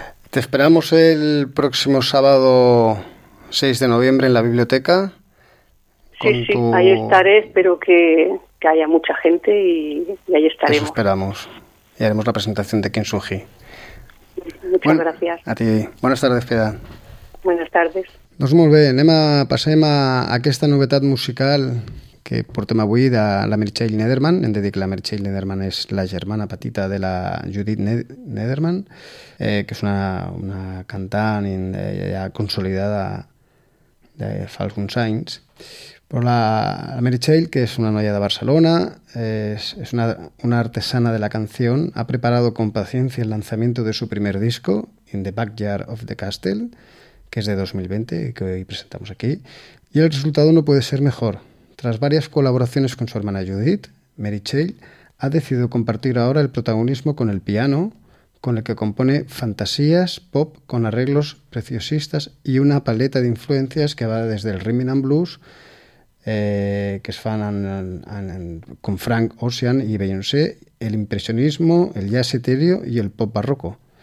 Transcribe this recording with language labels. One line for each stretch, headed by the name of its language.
Spanish: Te esperamos el próximo sábado 6 de noviembre en la biblioteca. Ahí estaré. Espero que haya mucha gente y ahí estaremos. Eso esperamos. Y haremos la presentación de Kintsugi. Muchas gracias. A ti. Buenas tardes, Pedán. Buenas tardes.
Catalan: Doncs molt bé, anem a passar a aquesta novetat musical que portem avui de la Meritxell Nederman. Hem de dir que la Meritxell Nederman és la germana petita de la Judith Nederman, que és una cantant ja consolidada de fa alguns anys. Però la Meritxell, que és una noia de Barcelona, és una artesana de la canció, ha preparat con paciència el lançament de su primer disco, In the Backyard of the Castle,
Spanish: que es de 2020 y que hoy presentamos aquí. Y el resultado no puede ser mejor. Tras varias colaboraciones con su hermana Judith, Meritxell ha decidido compartir ahora el protagonismo con el piano, con el que compone fantasías, pop, con arreglos preciosistas y una paleta de influencias que va desde el rhythm and blues, que es fan con Frank Ocean y Beyoncé, el impresionismo, el jazz etéreo y el pop barroco.